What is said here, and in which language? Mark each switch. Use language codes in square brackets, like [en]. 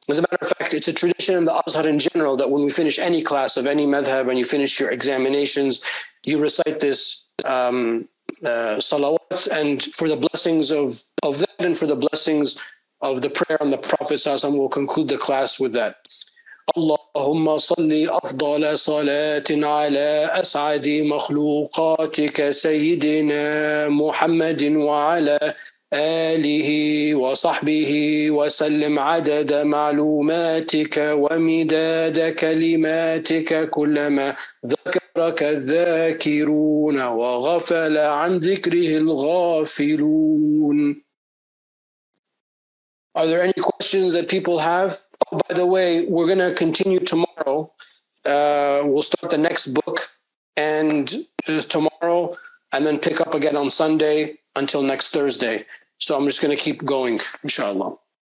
[en] As a matter of fact, it's a tradition in the Azhar in general that when we finish any class of any madhab and you finish your examinations, you recite this salawat, and for the blessings of that and for the blessings of the prayer on the Prophet ﷺ, we'll conclude the class with that. [ar] اللهم صل أفضل صلاة على أسعد مخلوقاتك سيدنا محمد وعلى آله وصحبه وسلم عدد معلوماتك ومداد كلماتك كلما ذكرك الذاكرون وغفل عن ذكره الغافلون. [en] Are there any questions that people have? Oh, by the way, we're going to continue tomorrow. We'll start the next book and tomorrow and then pick up again on Sunday until next Thursday. So I'm just going to keep going, inshallah.